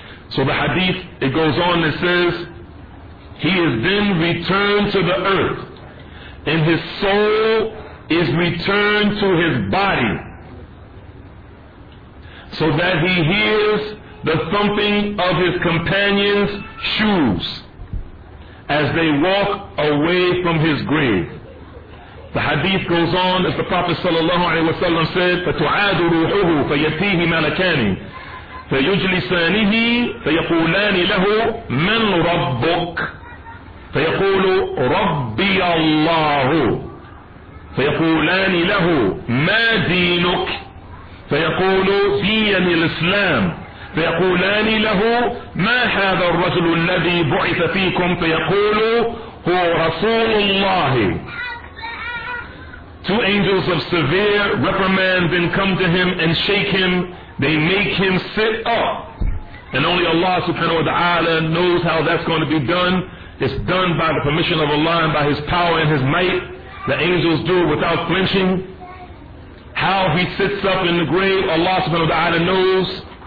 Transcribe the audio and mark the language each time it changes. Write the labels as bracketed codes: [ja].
[en] So the hadith, it goes on and says, he is then returned to the earth, and his soul is returned to his body, so that he hears the thumping of his companions' shoes, as they walk away from his grave. The hadith goes on, as the Prophet sallallahu alaihi wasallam said, [ar] فَتُعَادُ رُوحُهُ فَيَتِيهِ مَلَكَانِ فَيُجْلِسَانِهِ فَيَقُولَانِ لَهُ مَنْ رَبُّكَ فَيَقُولُ رَبِّيَ اللَّهُ فَيَقُولَانِ لَهُ مَا دِينُكَ فَيَقُولُ دِينِ الْإِسْلَامِ فيقولان له ما هذا الرجل الذي بعث فيكم فيقول هو رسول الله. [en] Two angels of severe reprimand then come to him and shake him. They make him sit up. And only Allah subhanahu wa ta'ala knows how that's going to be done. It's done by the permission of Allah and by his power and his might. The angels do it without flinching. How he sits up in the grave, Allah subhanahu wa ta'ala knows.